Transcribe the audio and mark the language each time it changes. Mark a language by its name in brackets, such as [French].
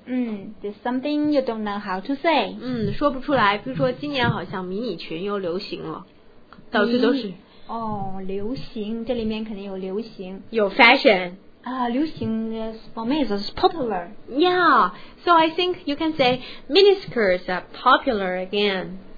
[English] There's something you don't know how to say. [Chinese] 说不出来。比如说，今年好像迷你裙又流行了，到处都是。哦，流行，这里面肯定有流行，有 fashion。 [English] 流行 is popular. Yeah, so I think you can say miniskirts are popular again.、